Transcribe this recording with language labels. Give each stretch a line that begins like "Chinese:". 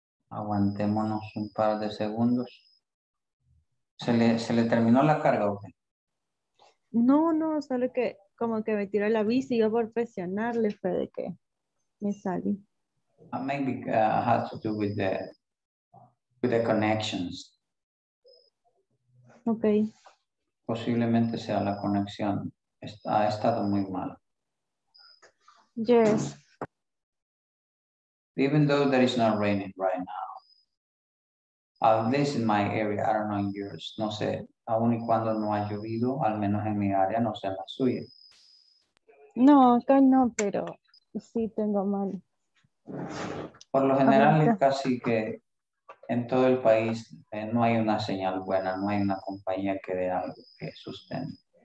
Spanish: Aguantémonos un par de segundos. ¿Se le terminó la carga, okay? No, no, solo que como que me tiró la bici y yo por presionarle fue de que me salí.
English: Maybe it has to do with the connections. Okay.
Spanish: Posiblemente sea la conexión. Ha estado muy mal.
English: Yes. Even though there is not raining right now. At least in my area, I don't know in yours.
Spanish: No sé, aun y cuando no ha llovido, al menos en mi área, no sé en la suya. No, acá no, pero sí tengo mal. Por lo general, es casi que en todo el país no hay una señal buena, no hay una compañía que dé algo que sustente.